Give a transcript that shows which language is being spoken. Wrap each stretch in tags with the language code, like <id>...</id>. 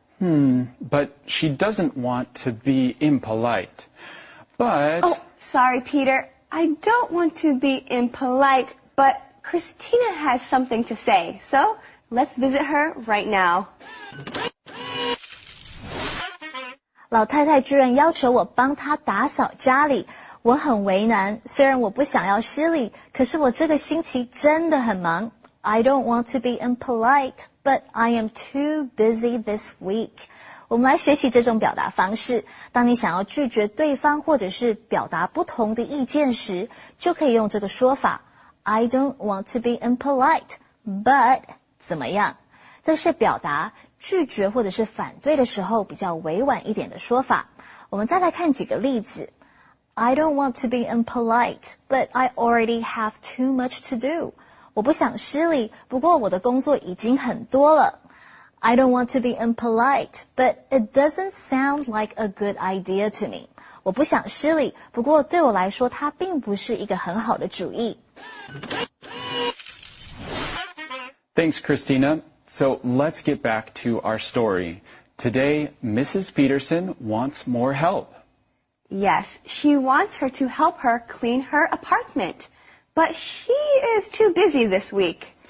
<en>But she doesn't want to be impolite. But... Oh, sorry, Peter. I don't want to be impolite, but Christina has something to say. So, let's visit her right now.</en> <zh>老太太居然要求我帮她打扫家里。我很为难，虽然我不想要失礼，可是我这个星期真的很忙。</zh> <en>I don't want to be impolite, but I am too busy this week.</en> <zh>我们来学习这种表达方式。当你想要拒绝对方或者是表达不同的意见时，就可以用这个说法。</zh> <en>I don't want to be impolite, but</en> <zh>怎么样？这是表达拒绝或者是反对的时候比较委婉一点的说法。我们再来看几个例子。</zh> <en>I don't want to be impolite, but I already have too much to do.</en> <zh>我不想失礼，不过我的工作已经很多了。</zh> <en>I don't want to be impolite, but it doesn't sound like a good idea to me.</en> <zh>我不想失礼，不过对我来说它并不是一个很好的主意。</zh> <en>Thanks, Christina. So let's get back to our story. Today, Mrs. Peterson wants more help. Yes, she wants her to help her clean her apartment, but she is too busy this week.</en>